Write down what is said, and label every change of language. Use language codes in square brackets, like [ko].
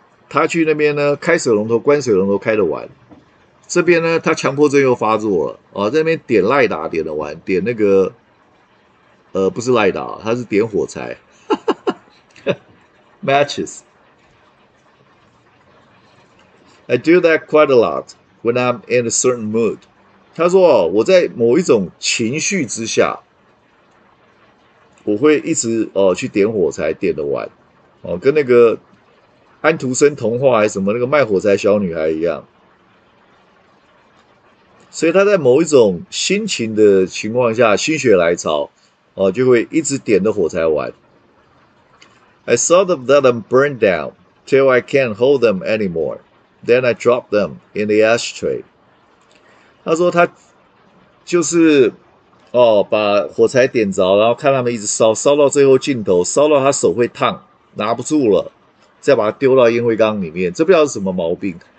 [zh] 他去那边呢，开水龙头、关水龙头开得完，这边呢，他强迫症又发作了啊，在那边点赖打点得完，点那个不是赖打，他是点火柴，matches。 [en] I do that quite a lot when I'm in a certain mood。 [zh] 他说哦，我在某一种情绪之下，我会一直去点火柴，点得完哦，跟那个安徒生童话还是什么那个卖火柴小女孩一样。所以他在某一种心情的情况下，心血来潮哦，就会一直点着火柴玩。 [en] I saw them that I'm burned down till I can't hold them anymore. Then I drop them in the ashtray. [zh] 他说他就是把火柴点着，然后看他们一直烧，烧到最后尽头，烧到他手会烫，拿不住了，再把它丢到烟灰缸里面。这不知道是什么毛病。